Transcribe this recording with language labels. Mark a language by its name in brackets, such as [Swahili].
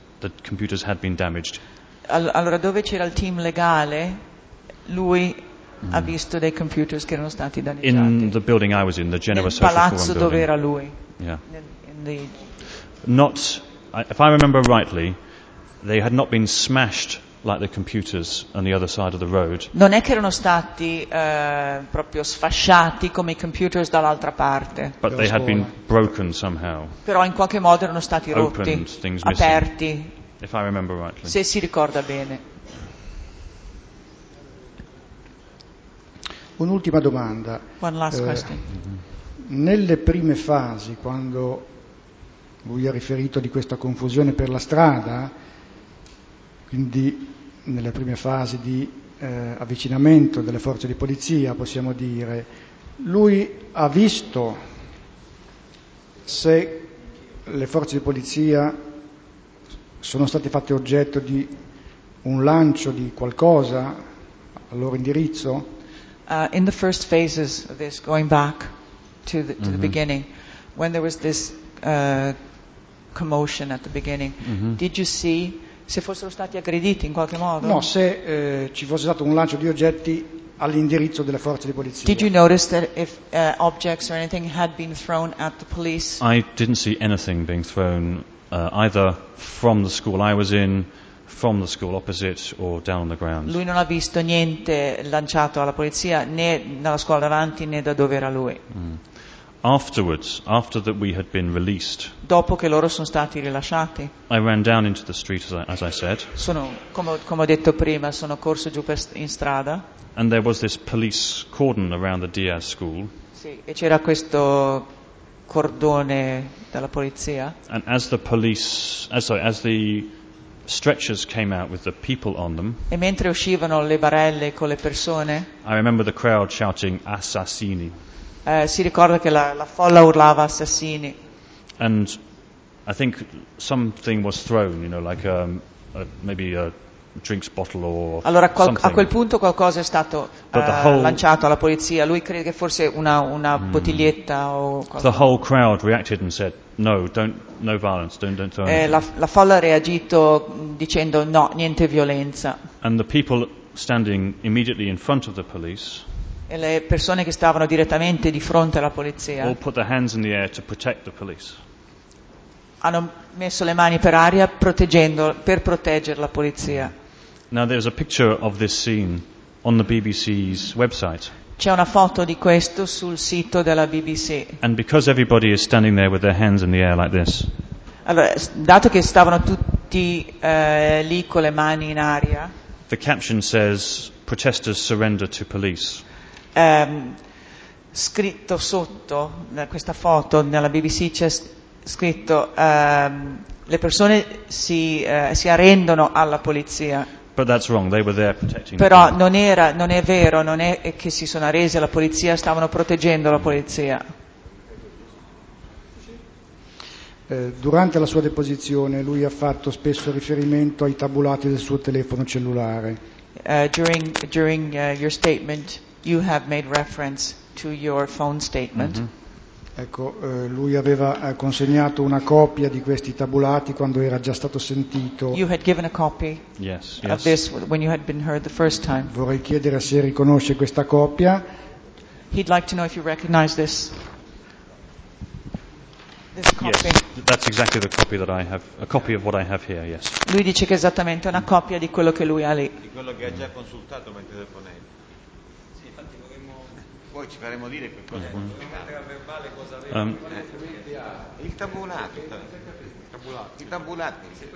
[English] the computers had been damaged. [Italian] Allora, dove c'era il team legale, lui ha visto dei computers che erano stati danneggiati. [English] In the building I was in, the Genoa Social Forum building. [Italian] Nel palazzo dove era lui. [English] Yeah. If I remember rightly, they had not been smashed like the computers on the other side of the road. [Italian] Non è che erano stati proprio sfasciati come i computers dall'altra parte. [English] But they had been broken somehow. [Italian] Però in qualche modo erano stati rotti, [English] opened, things missing, [Italian] aperti. [English] If I remember rightly. [Italian] Se si ricorda bene. Un'ultima domanda. [English] One last question. [Italian] Nelle prime fasi, quando lui ha riferito di questa confusione per la strada, quindi nelle prime fasi di avvicinamento delle forze di polizia, possiamo dire, lui ha visto se le forze di polizia sono state fatte oggetto di un lancio di qualcosa al loro indirizzo? [English] In the first phases of this, going back to the, to the beginning, when there was this commotion at the beginning, did you see [Italian] se fossero stati aggrediti in qualche modo? No, se ci fosse stato un lancio di oggetti all'indirizzo delle forze di polizia. [English] Did you notice that if objects or anything had been thrown at the police? I didn't see anything being thrown either from the school I was in, from the school opposite, or down on the ground. [Italian] Lui non ha visto niente lanciato alla polizia né nella scuola davanti né da dove era lui. [English] Afterwards, after that we had been released, [Italian] dopo che loro sono stati rilasciati, [English] I ran down into the street, as I said. [Italian] Sono, come ho detto prima, sono corso giù in strada. [English] And there was this police cordon around the Diaz school. [Italian] Sì, e c'era questo cordone della polizia. [English] And as the police, as the stretchers came out with the people on them, [Italian] e mentre uscivano le barelle con le persone, [English] I remember the crowd shouting "assassini." [Italian] Si ricorda che la folla urlava assassini. [English] And I think something was thrown, you know, like maybe a drinks bottle or something. [Italian] Allora a quel punto qualcosa è stato lanciato alla polizia. Lui crede che forse una bottiglietta o qualcosa. [English] The whole crowd reacted and said, "No, don't, no violence, don't throw anything." [Italian] La folla ha reagito dicendo no, niente violenza. [English] And the people standing immediately in front of the police, [Italian] e le persone che stavano direttamente di fronte alla polizia, [English] all put their hands in the air to protect the police, [Italian] hanno messo le mani per aria per proteggere la polizia. [English] Now there's a picture of this scene on the BBC's website. [Italian] C'è una foto di questo sul sito della BBC. [English] And because everybody is standing there with their hands in the air like this, [Italian] allora, dato che stavano tutti lì con le mani in aria, [English] the caption says "Protesters surrender to police." [Italian] Scritto sotto questa foto nella BBC c'è scritto le persone si arrendono alla polizia. [English] But that's wrong. They were there protecting. [Italian] Però non è vero, non è che si sono arresi alla polizia, stavano proteggendo la polizia. Durante la sua deposizione lui ha fatto spesso riferimento ai tabulati del suo telefono cellulare. [English] During your statement you have made reference to your phone statement. [Italian] Ecco, lui aveva consegnato una copia di questi tabulati quando era già stato sentito. [English] You had given a copy of this when you had been heard the first time. [Italian] Vorrei chiedere se riconosce questa copia. [English] He'd like to know if you recognize this copy. Yes, that's exactly the copy that I have, a copy of what I have here, yes. [Italian] Lui dice che è esattamente una copia di quello che lui ha lì. Di quello che ha già consultato mentre deponendo. Poi ci faremo dire il tabulato. Tabulati.